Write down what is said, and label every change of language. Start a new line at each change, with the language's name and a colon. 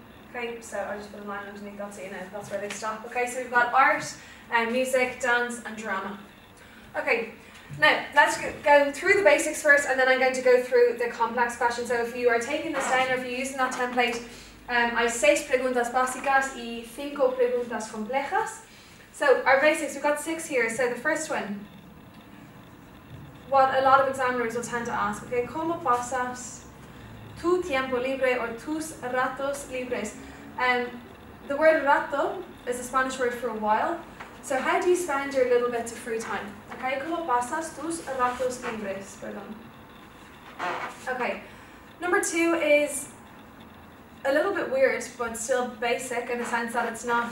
English: Okay, so I'll just put a line underneath that so you know that's where they stop. Okay, so we've got art, music, dance, and drama. Okay, now let's go through the basics first, and then I'm going to go through the complex questions. So if you are taking this down, or if you're using that template,
Spanish: Hay seis preguntas básicas y cinco preguntas complejas.
English: So our basics, we've got six here. So the first one, what a lot of examiners will tend to ask, okay?
Spanish: ¿Cómo pasas tu tiempo libre o tus ratos libres?
English: The word rato is a Spanish word for a while. So how do you spend your little bit of free time? Okay,
Spanish: ¿cómo pasas tus ratos libres? Perdón.
English: Okay, number two is a little bit weird, but still basic in the sense that it's not...